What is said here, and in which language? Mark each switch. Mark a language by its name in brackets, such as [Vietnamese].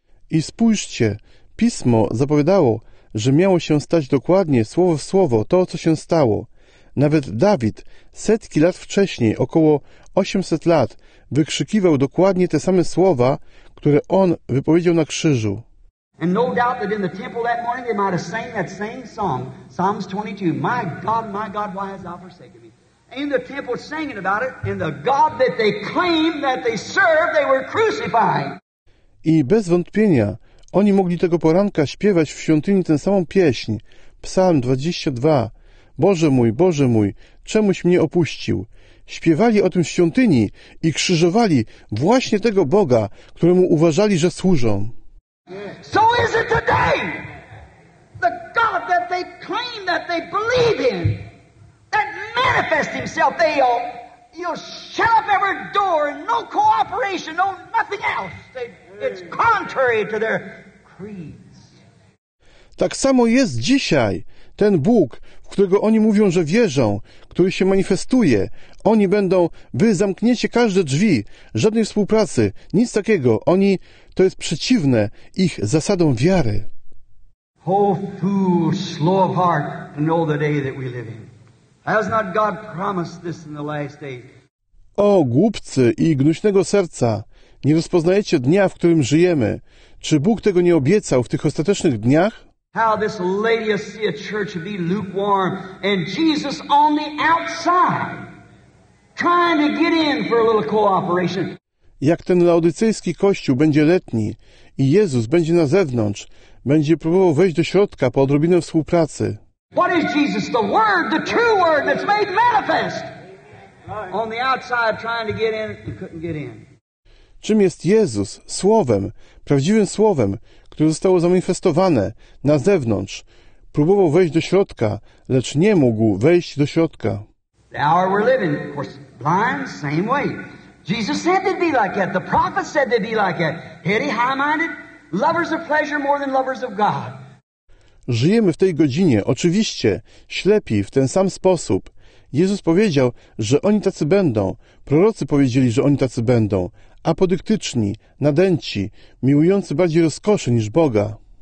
[Polish] I spójrzcie, Pismo zapowiadało, że miało się stać dokładnie słowo w słowo to, co się stało. Nawet Dawid setki lat wcześniej, około 800 lat, wykrzykiwał dokładnie te same słowa, które on wypowiedział na krzyżu. [English] And no doubt that in the temple that morning they might have sang that same song, Psalms 22, my God, why hast thou forsaken me? In the temple singing about it, and the God that they claimed that they served, they were crucified. [Polish] I bez wątpienia oni mogli tego poranka śpiewać w świątyni tę samą pieśń, Psalm 22, Boże mój, czemuś mnie opuścił. Śpiewali o tym w świątyni i krzyżowali właśnie tego Boga, któremu uważali, że służą. [English] So is it today. The God that they claim that they believe in, that manifests himself, you'll shut up every door, no cooperation, no nothing else. It's contrary to their creeds. [Polish] Tak samo jest dzisiaj. Ten Bóg, w którego oni mówią, że wierzą, który się manifestuje, oni będą, wy zamkniecie każde drzwi, żadnej współpracy, nic takiego. Oni, to jest przeciwne ich zasadom wiary. [English] O fool, slow of heart, to know the day that we live in. Has not God promised this in the last days? [Polish] O głupcy i gnuśnego serca, nie rozpoznajecie dnia, w którym żyjemy. Czy Bóg tego nie obiecał w tych ostatecznych dniach? [English] How this Laodicea church would be lukewarm and Jesus on the outside trying to get in for a little cooperation. [Polish] Jak ten laodycejski kościół będzie letni i Jezus będzie na zewnątrz, będzie próbował wejść do środka po odrobinę współpracy. [English] What is Jesus? The word, the true word that's made manifest. On the outside trying to get in and couldn't get in. [Polish] Czym jest Jezus? Słowem, prawdziwym słowem, które zostało zamanifestowane na zewnątrz. Próbował wejść do środka, lecz nie mógł wejść do środka. [English] The hour we're living, of course, blind, same way. Jesus said they'd be like that. The prophet said they'd be like that. Heady, high-minded, lovers of pleasure more than lovers of God. [Polish] Żyjemy w tej godzinie, oczywiście, ślepi w ten sam sposób. Jezus powiedział, że oni tacy będą. Prorocy powiedzieli, że oni tacy będą. Apodyktyczni, nadęci, miłujący bardziej rozkoszy niż Boga.